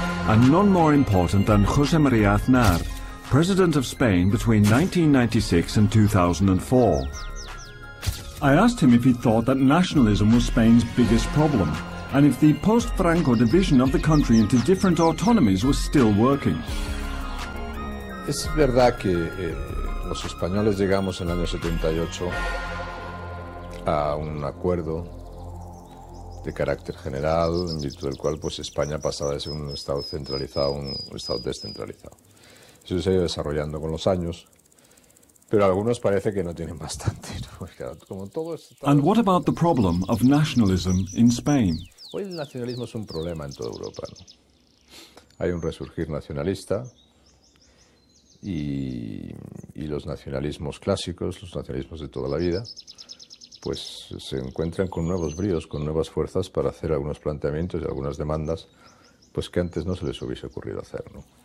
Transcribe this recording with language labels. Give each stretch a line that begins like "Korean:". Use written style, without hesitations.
English: And none more important than José María Aznar, President of Spain between 1996 and 2004. I asked him if he thought that nationalism was Spain's biggest problem, and if the post-Franco division of the country into different autonomies was still working.
Spanish: Es verdad que los españoles llegamos en el año 78 a un acuerdo de carácter general en virtud del cual pues España pasaba de ser un estado centralizado a un estado descentralizado. Eso se ha ido desarrollando con los años, pero a algunos parece que no tienen bastante, ¿no? Porque como todo es...
English: And what about the problem of nationalism in Spain?
Spanish: Hoy el nacionalismo es un problema en toda Europa, ¿no? Hay un resurgir nacionalista. Y los nacionalismos clásicos, los nacionalismos de toda la vida, pues se encuentran con nuevos bríos, con nuevas fuerzas para hacer algunos planteamientos y algunas demandas, pues que antes no se les hubiese ocurrido hacer, ¿no?